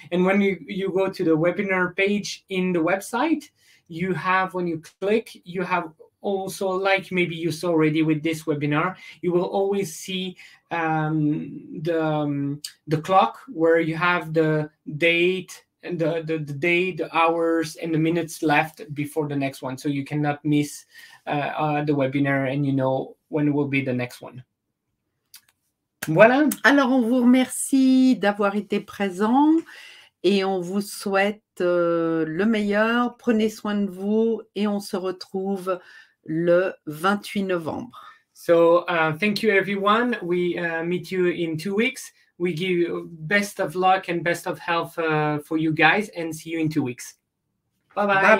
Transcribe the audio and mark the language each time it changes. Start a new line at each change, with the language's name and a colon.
English: And when you go to the webinar page in the website, when you click, you have also, like maybe you saw already with this webinar, you will always see the clock where you have the date and the day, the hours and the minutes left before the next one. So you cannot miss the webinar, and you know when will be the next one.
French: Voilà. Alors, on vous remercie d'avoir été présent et on vous souhaite le meilleur. Prenez soin de vous et on se retrouve le 28 novembre.
English: So thank you everyone. We meet you in 2 weeks. We give you best of luck and best of health for you guys, and see you in 2 weeks. Bye bye.